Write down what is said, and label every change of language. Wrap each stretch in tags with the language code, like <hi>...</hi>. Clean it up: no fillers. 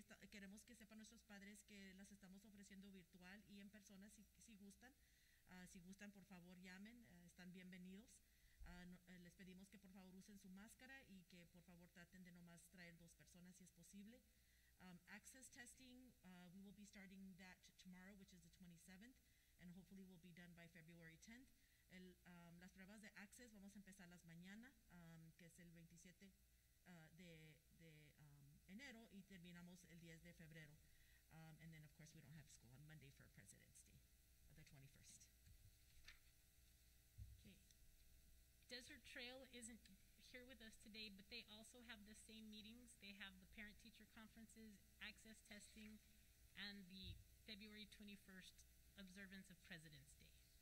<es>Queremos que sepan nuestros padres que las estamos ofreciendo virtual y en persona, si gustan. Si gustan, por favor, llamen. Están bienvenidos. Les pedimos que por favor usen su máscara y que por favor traten de nomás traer dos personas si es posible.</es> <en>Access testing, we will be starting that tomorrow, which is the 27th, and hopefully will be done by February 10th.</en> <es>Las pruebas de access vamos a empezar las mañana, que es el 27 de enero, y terminamos el 10 de febrero.</es> <en>And then of course we don't have school on Monday for President's Day, the 21st. Desert Trail isn't here with us today, but they also have the same meetings. They have the parent-teacher conferences, access testing, and the February 21st observance of President's Day.</en>